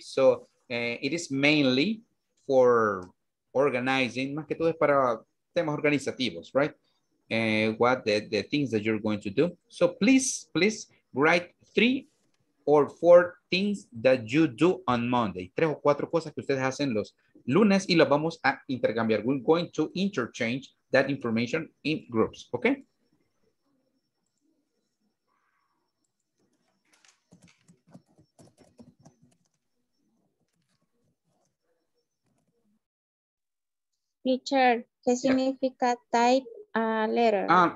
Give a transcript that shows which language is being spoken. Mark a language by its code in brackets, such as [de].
[en] So it is mainly for organizing. [es] Más que todo es para temas organizativos, [en] right? What the things that you're going to do. So please, write 3 or 4 things that you do on Monday. [es] 3 o 4 cosas que ustedes hacen los lunes y los vamos a intercambiar. [en] We're going to interchange that information in groups, okay? [es] Teacher, ¿qué significa [en] type a letter?